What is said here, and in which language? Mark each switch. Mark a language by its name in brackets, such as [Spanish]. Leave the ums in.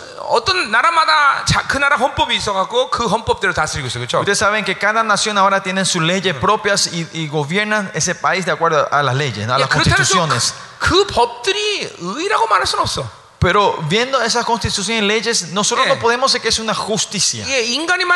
[Korean] 어떤 나라마다 그 나라 헌법이 있어 갖고 그 헌법대로 다스리고 있어. 그렇죠? [Spanish] Ustedes saben que cada nación ahora tiene sus leyes propias y, y gobiernan ese país de acuerdo a las leyes, a las constituciones. [Korean] 그 법들이 의라고 말할 순 없어. [Spanish] Pero viendo esas constituciones y leyes, nosotros sí. no podemos decir que es una justicia. Sí.